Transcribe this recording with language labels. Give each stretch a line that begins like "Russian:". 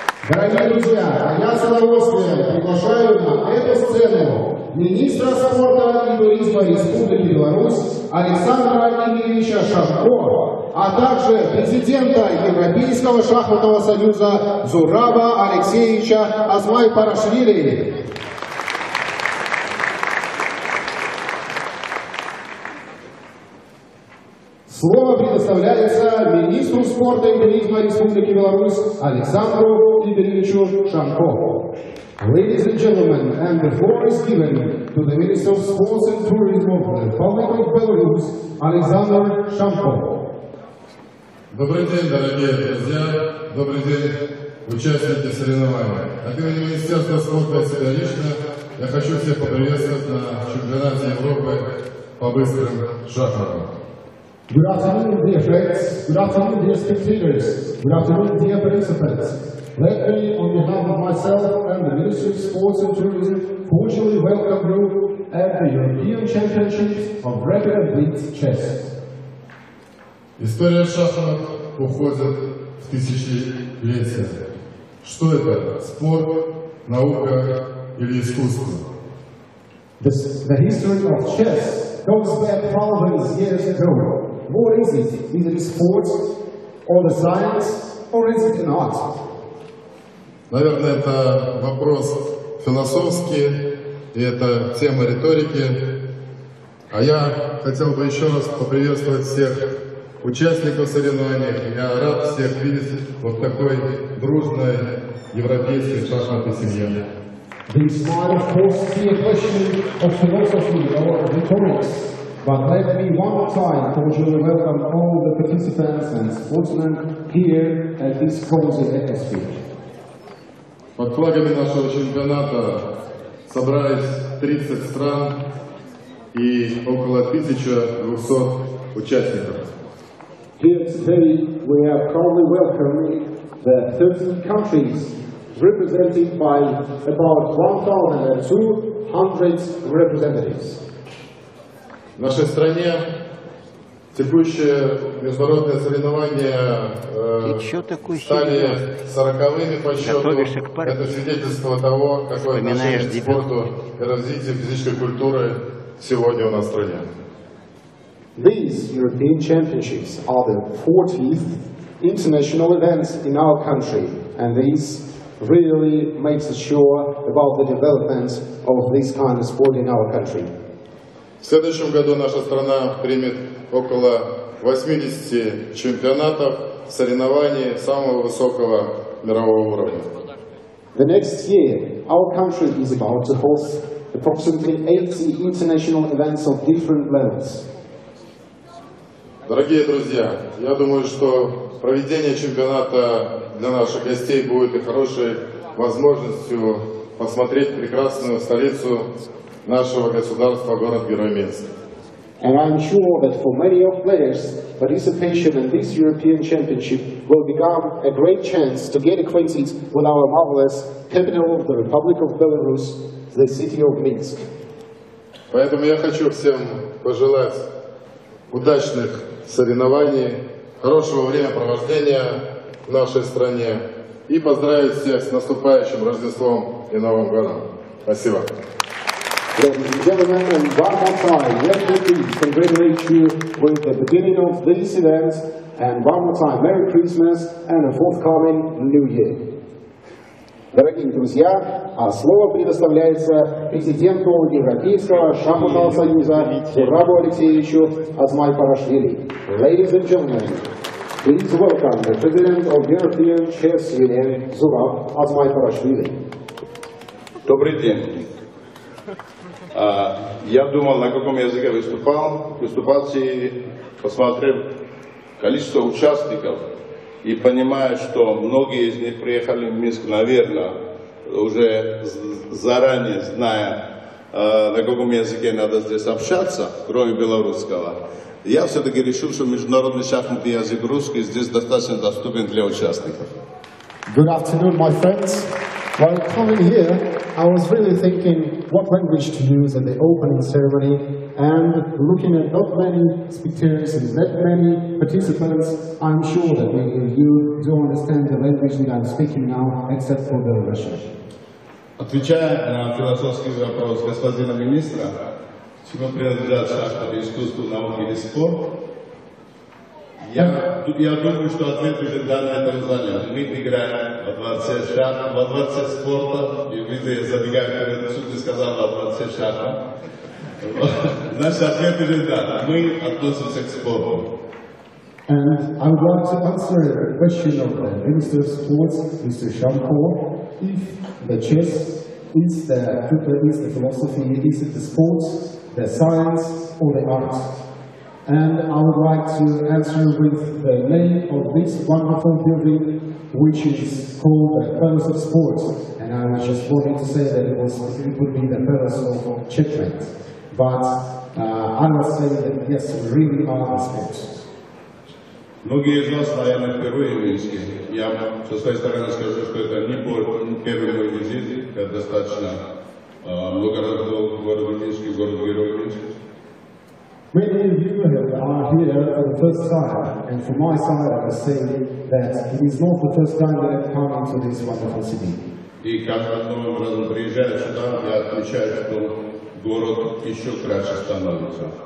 Russian: Дорогие друзья, а я с удовольствием приглашаю на эту сцену министра спорта и туризма Республики Беларусь Александра Игоревича Шашко, а также президента Европейского шахматного союза Зураба Алексеевича Азмайпарашвили. Слово предоставляется министру спорта и туризма Республики Беларусь Александру Игоревичу Шашко.
English: Ladies and gentlemen, and the floor is given to the Minister of Sports and Tourism of the Republic of Belarus, Alexander Shamko.
Russian: Добрый день, дорогие друзья. Добрый день, участники соревнований. От имени Министерства спорта и себя лично я хочу всех поприветствовать на чемпионате Европы по быстрым шахматам.
English: Good afternoon, dear friends. Good afternoon, dear spectators. Good afternoon, dear participants. Let me, on behalf of myself and the Ministry of Sports and Tourism, cordially welcome you at the European Championships of Rapid and Blitz Chess.
Russian: История шахмат уходит в тысячелетия. Что это? Спорт, наука или искусство?
English: The history of chess goes back thousands of years ago. What is it? Is it a sport or a science or is it an art?
Russian: Наверное, это вопрос философский, и это тема риторики. А я хотел бы еще раз поприветствовать всех участников соревнований. Я рад всех видеть вот такой дружной европейской шахматной семье.
English: This might of course be a question of philosophy or rhetorics, but let me one time cordially welcome all the participants and sportsmen here at this cozy atmosphere.
Russian: Под флагами нашего чемпионата собрались 30 стран и около 1200 участников.
English: Here today we are proudly welcoming the 30 countries represented by about 1200 representatives.
Russian: В нашей стране текущие международные соревнования стали 40-ми по счету. Это свидетельство того, какое отношение к спорту и развитию физической культуры сегодня у нас в стране.
English: These European Championships are the 40th international events in our country, and this really makes us sure about the development of this kind of sport in our country.
Russian: В следующем году наша страна примет около 80 чемпионатов соревнований самого высокого мирового уровня.
English: The next year our country is about to host approximately 80 international events of different levels.
Russian: Дорогие друзья, я думаю, что проведение чемпионата для наших гостей будет и хорошей возможностью посмотреть прекрасную столицу нашего государства, город Герой Минск.
English: And I'm sure that for many of players, participation in this European Championship will become a great chance to get acquainted with our marvelous capital of the Republic of Belarus, the city of Minsk.
Russian: Поэтому я хочу всем пожелать удачных соревнований, хорошего времяпровождения в нашей стране и поздравить всех с наступающим Рождеством и Новым годом. Спасибо.
English: Ladies and gentlemen, and one more time, let me please congratulate you with the beginning of this event, and one more time, Merry Christmas and a forthcoming New Year.
Russian: Дорогие друзья, а слово предоставляется президенту Европейского шахматного союза Сурабу Алексеевичу Азмайпарашвили.
English: Ladies and gentlemen, please welcome the president of European Chess Union Сураб Азмайпарашвили.
Russian: Добрый день. Я думал, на каком языке выступал. Выступал, посмотрел количество участников. И понимая, что многие из них приехали в Минск, наверное, уже заранее зная, на каком языке надо здесь общаться, кроме белорусского, я все-таки решил, что международный шахматный язык русский здесь достаточно доступен для участников.
English: Good afternoon, my friends. While coming here, I was really thinking what language to use at the opening ceremony, and looking at not many speakers and not many participants, I'm sure that many of you do understand the language that I'm speaking now, except for the Russian.
Russian: Отвечая на философский вопрос господина министра, чему принадлежат шахматы, искусство, науки или спорт, я думаю, что ответ уже дан на этом задании. Мы играем во дворце шахмат, во дворце спорта, и мы забегаем перед суд и сказал во дворце шахмат. Значит, ответ уже дан. Мы относимся к спорту.
English: And I would like to answer the question of the Minister of Sports, Mr. Shamko, if the chess is the fitness, the philosophy, is it the sports, the science, or the arts? And I would like to answer with the name of this wonderful building, which is called the Palace of Sports. And I was just wanting to say that it would be the Palace of Checkmate. But I must say that yes, we really are the sports.
Russian: Многие из вас, наверное, впервые в Минске. Я со своей стороны скажу, что это не первый мой визит. Я достаточно много раз был в городе Минске, в городе Герой Минске.
English: Many of you are here for the first time, and from my side I must say that it is not the first time that I've come into this wonderful city.
Russian: И каждым новым разом приезжаю сюда, я отмечаю, что город еще краше становится.